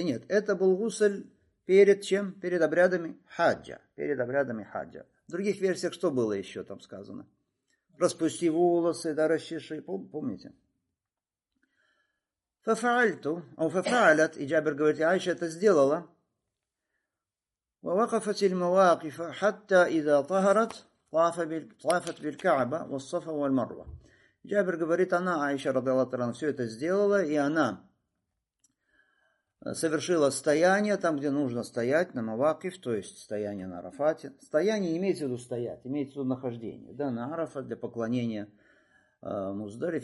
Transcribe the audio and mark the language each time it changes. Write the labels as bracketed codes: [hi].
[ru] Нет, это был гусль перед чем? Перед обрядами хаджа. Перед обрядами хаджа. В других версиях что было еще там сказано? Распусти волосы, да, расчеши, помните? [ar] Фафаальту, а у фафаалят, [ru] и Джабир говорит, Айша это сделала. [ar] ووقفت المواقف حتى إذا طهرت طافت بالكعبة والصفا والمروة. [ru] جابر говорит, она, Аиша [ar] رضي الله عنها, [ru] все это сделала, и она совершила стояние там, где нужно стоять, на Мавакиф, то есть стояние на Арафате. Стояние имеется в виду стоять, имеется в виду нахождение, да, на Арафат для поклонения Муздалиф.